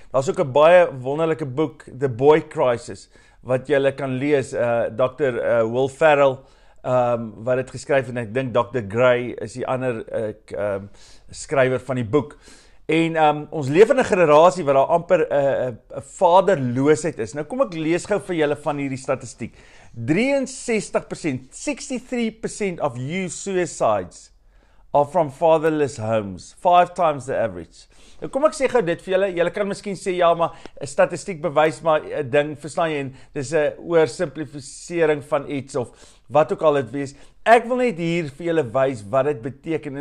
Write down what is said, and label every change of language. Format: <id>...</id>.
<af>Daar's ook 'n baie wonderlike boek, The Boy Crisis, wat julle kan lees, Dr. Will Ferrell, wat het geskryf, en ek dink Dr. Gray is die ander skrywer van die boek. En ons leef in 'n generasie wat daar amper 'n vaderloosheid is. Nou kom ek lees gou vir julle van hierdie statistiek.</af> <en>63%, 63% of youth suicides are from fatherless homes, 5 times the average.</en> <af>Nou kom ek sê gou dit vir julle, julle kan miskien sê, ja, maar statistiek bewys maar 'n ding, verstaan jy, en dis 'n oorsimplifisering van iets of wat ook al dit wees. Ek wil net hier vir julle wys wat dit beteken.</af>